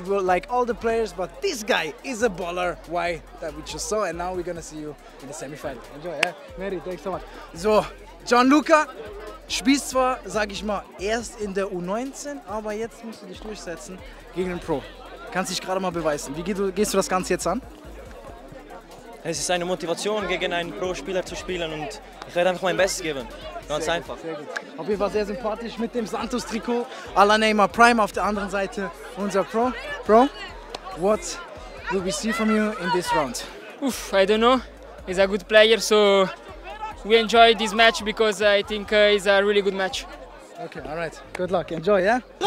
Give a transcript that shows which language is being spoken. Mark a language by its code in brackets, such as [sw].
[en] We'll like all the players, but this guy is a baller. Why? That we just saw, and now we're gonna see you in the semifinal. Enjoy, yeah? Mary, thanks so much. [de] So, Gianluca, spielst zwar, sag ich mal, erst in der U19, aber jetzt musst du dich durchsetzen gegen den Pro. Kannst dich gerade mal beweisen. Wie gehst du das Ganze jetzt an? Es ist eine Motivation, gegen einen Pro-Spieler zu spielen und ich werde einfach mein Bestes geben. Ganz sehr einfach. Sehr gut. Auf jeden Fall sehr sympathisch mit dem Santos-Trikot. Alla Neymar Prime auf der anderen Seite. Unser Pro. [en] Pro, what will we see from you in this round? I don't know. He's a good player, so we enjoy this match because I think it's a really good match. Okay, all right. Good luck. Enjoy, yeah?